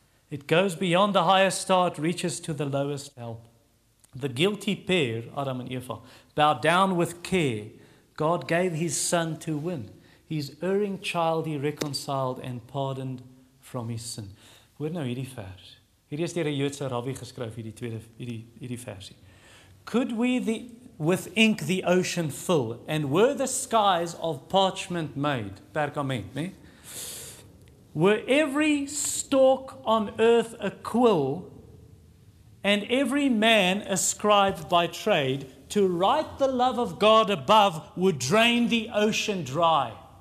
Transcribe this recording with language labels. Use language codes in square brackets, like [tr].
[en] It goes beyond the highest start, reaches to the lowest help. The guilty pair, Adam and Eva, bow down with care. God gave his son to win. His erring child he reconciled and pardoned from his sin. [af] Hoor nou hierdie vers. Hierdie is deur 'n Joodse rabbi geskryf, hierdie versie. [en] Could we with ink the ocean fill, and were the skies of parchment made, [af] pergament, né? [en] Were every stalk on earth a quill, and every man a scribe by trade, to write the love of God above would drain the ocean dry.